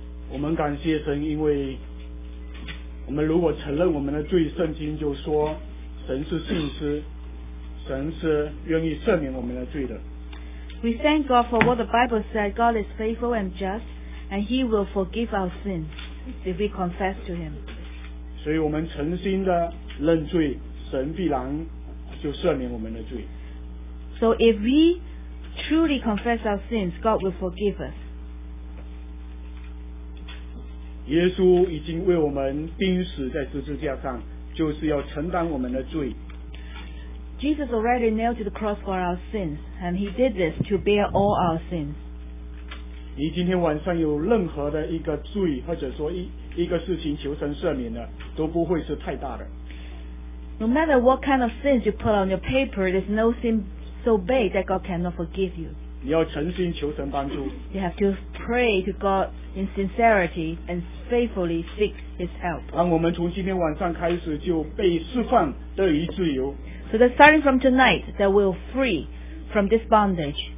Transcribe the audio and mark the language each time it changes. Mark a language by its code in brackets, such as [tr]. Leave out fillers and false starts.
[zh] 我们感谢神，因为我们如果承认我们的罪，圣经就说神是信实，神是愿意赦免我们的罪的。 [en] We thank God for what the Bible said. God is faithful and just, and He will forgive our sins if we confess to Him. [zh] 所以我们诚心的认罪，神必然就赦免我们的罪。 [en] So if we truly confess our sins, God will forgive us. [zh] 耶稣已经为我们钉死在十字架上，就是要承担我们的罪。 [en] Jesus already nailed to the cross for our sins, and He did this to bear all our sins. [zh] 你今天晚上有任何的一个罪，或者说一个事情求神赦免的，都不会是太大的。 [en] No matter what kind of sins you put on your paper, there's no sin so big that God cannot forgive you. [zh] 你要诚心求神帮助。 [en] You have to pray to God in sincerity and faithfully seek His help. [zh] 让我们从今天晚上开始就被释放得以自由。 [en] So that starting from tonight, that we're free from this bondage.